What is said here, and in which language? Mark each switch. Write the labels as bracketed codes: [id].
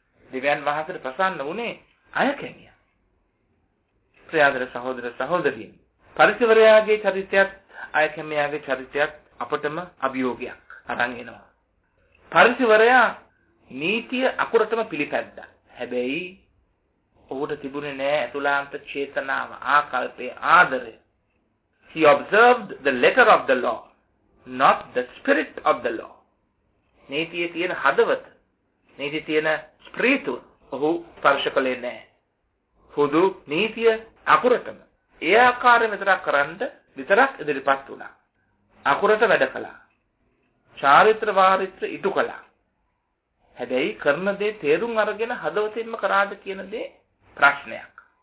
[si] දෙවියන් වහන්සේට ප්‍රසන්න වුණේ අයකැමියා. ප්‍රියදර සහෝදර සහෝදරියන්, පරිසවරයාගේ චරිතයත් අයකැමියාගේ චරිතයත් අපටම අභියෝගයක් අරන් එනවා. පරිසවරයා නීතිය අකුරටම පිළිපැද්දා. හැබැයි ඔහුට තිබුණේ නෑ ඇතුළාන්ත චේතනාව, ආකල්පය, ආදරය. [en] He observed the letter of the law, not the spirit of the law. [si] නීතියේ තියෙන හදවත, නීතියේ තියෙන ස්පිරිතු ඔහු ස්පර්ශ කළේ නෑ. හුදු නීතිය අකුරටම ඒ ආකාරයෙන් විතරක් කරන්ද විතරක් ඉදිරිපත් වුණා. අකුරට වැඩ කළා. චාරිත්‍ර වාරිත්‍ර ඉටු කළා. හැබැයි කරන දේ තේරුම් අරගෙන හදවතින්ම කරාද කියන දේ ප්‍රශ්නයක්.